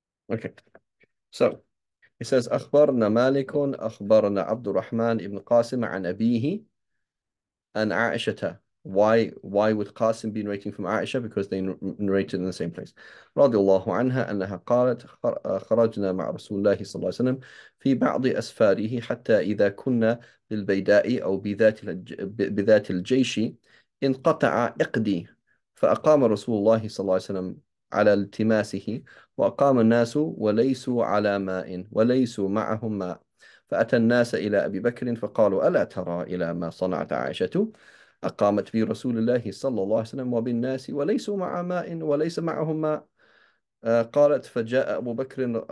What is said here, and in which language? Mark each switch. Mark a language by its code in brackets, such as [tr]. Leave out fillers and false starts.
[en] Okay, so it says, [ar] أخبرنا مالك أخبرنا عبد الرحمن ابن قاسم عن أبيه عن عائشة. [en] Why would Qasim be narrating from Aisha? Because they narrated in the same place. [ar] رضي الله عنها أنها قالت خرجنا مع رسول الله صلى الله عليه وسلم في بعض أسفاره حتى إذا كنا بالبيداء أو بذات الجيش انقطع إقدي فأقام رسول الله صلى الله عليه وسلم على التماسه وأقام الناس وليسوا على ماء وليسوا معهم ماء فأتى الناس إلى أبي بكر فقالوا ألا ترى إلى ما صنعت عائشة أقامت في رسول الله صلى الله عليه وسلم وبالناس وليسوا مع ماء وليس معهم ماء قالت فجاء أبو بكر